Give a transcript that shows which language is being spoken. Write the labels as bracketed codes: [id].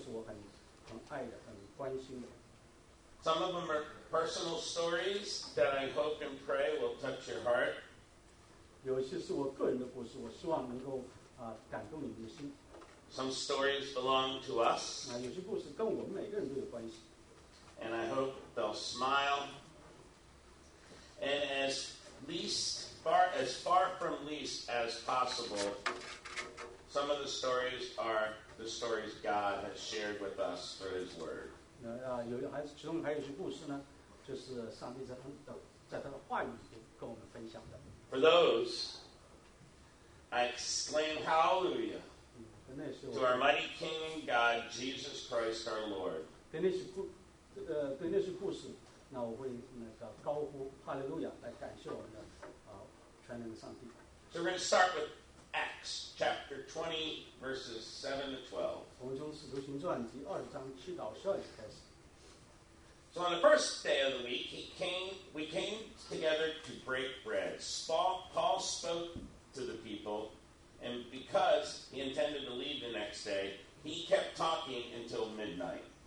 [zh] 是不同的对，跟不同的人和发生的那个不同的故事，那这些人都是我很爱的，很关心的。 [en] Some of them are personal stories that I hope and pray will touch your heart. [zh] 有些是我个人的故事，我希望能够感动你的心。 [en] Some stories belong to us. [zh] 有些故事跟我们每个人都有关系。 [en] And I hope they'll smile. And as far from least as possible, some of the stories are the stories God has shared with us through His Word. [zh] 其中还有些故事呢，就是上帝在他的话语里跟我们分享的。For [en] those, I exclaim hallelujah to our mighty King and God, Jesus Christ our Lord. [zh] 对那些故事，那我会高呼 hallelujah 来感谢我们的全能的上帝。 [en] So we're going to start with Acts. Acts chapter 20, verses 7 to 12. [zh] 从中使徒行传第二章七到十二节开始。 [en] So on the first day of the week, we came together to break bread. Paul spoke to the people, and because he intended to leave the next day, he kept talking until midnight.